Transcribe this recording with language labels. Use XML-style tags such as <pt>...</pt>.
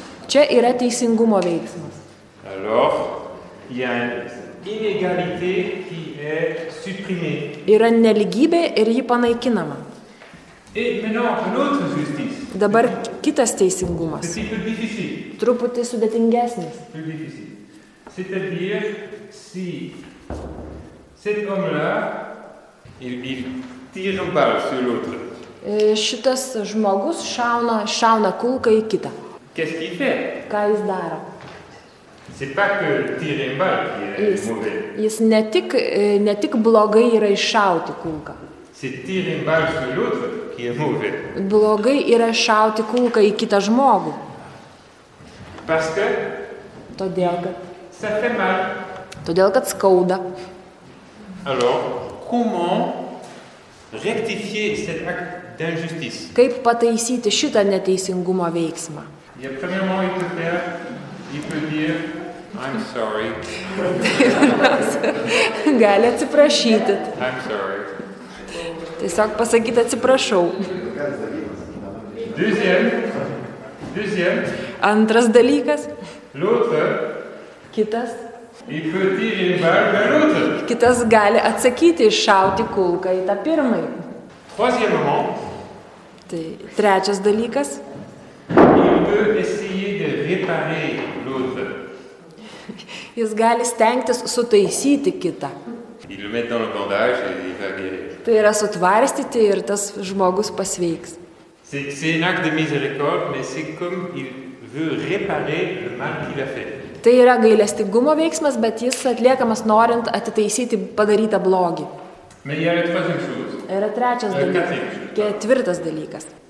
<lt>Čia yra teisingumo veiksmas.</lt> <fr>Alors, il y a une inégalité qui est supprimée.</fr> <lt>Yra nelygybė ir ji panaikinama.</lt> <fr>Et maintenant, une autre justice.</fr> <lt>Dabar kitas teisingumas.</lt> <fr>C'est plus difficile.</fr> <lt>Truputį sudėtingesnis.</lt> <fr>C'est-à-dire, si cet homme-là, il tire une balle sur l'autre.</fr> <lt>Šitas žmogus šauna kulką į kitą.</lt> <fr>Qu'est-ce qu'il fait?</fr> <lt>Ką jis daro?</lt> <fr>C'est pas que tirer une balle qui est mauvais.</fr> <lt>Jis ne tik blogai yra iššauti kulką.</lt> <fr>C'est tirer une balle sur l'autre qui est mauvais.</fr> <lt>Blogai yra iššauti kulką į kitą žmogų.</lt> <fr>Parce que?</fr> <lt>Todėl, kad.</lt> <fr>Ça fait mal.</fr> <lt>Todėl, kad skauda.</lt> <fr>Alors, comment rectifier cet acte d'injustice?</fr> <lt>Kaip pataisyti šitą neteisingumo veiksmą?</lt> <fr>Ja, premièrement, il peut dire,</fr> <en>I'm sorry.</en> <lt>Gali atsiprašyti.</lt> <en>I'm sorry.</en> <lt>Tiesiog pasakyti atsiprašau.</lt> <fr>Deuxième.</fr> <lt>Antras dalykas.</lt> <fr>L'autre.</fr> <lt>Kitas.</lt> <fr>Il peut tirer une balle vers l'autre.</fr> <lt>Kitas gali atsakyti iššauti kulką į tą pirmąjį.</lt> <fr>Troisièmement.</fr> <lt>Tai trečias dalykas.</lt> <fr>Il peut essayer de réparer l'autre.</fr> <lt>Jis gali stengtis sutaisyti kitą.</lt> <fr>Il le met dans le bandage et il va guérir.</fr> <lt>Tai yra sutvarstyti ir tas žmogus pasveiks.</lt> <fr>C'est un acte de miséricorde, mais c'est comme il veut réparer le mal qu'il a fait.</fr> <lt>Tai yra gailestingumo veiksmas, bet jis atliekamas norint atitaisyti padarytą blogį. Yra trečias dalykas. Ketvirtas dalykas.</lt>